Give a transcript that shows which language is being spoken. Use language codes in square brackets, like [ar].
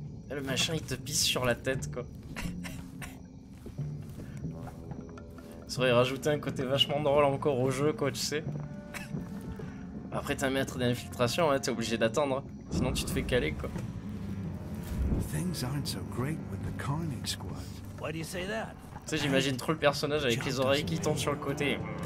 [fr] Le machin il te pisse sur la tête quoi. Ça aurait rajouté un côté vachement drôle encore au jeu quoi, tu sais. Après t'es un maître d'infiltration, hein, t'es obligé d'attendre, sinon tu te fais caler quoi. [en] Things aren't so great with the Carnage Squad. Why do you say that? [fr] Tu sais, j'imagine trop le personnage avec les oreilles qui tombent sur le côté.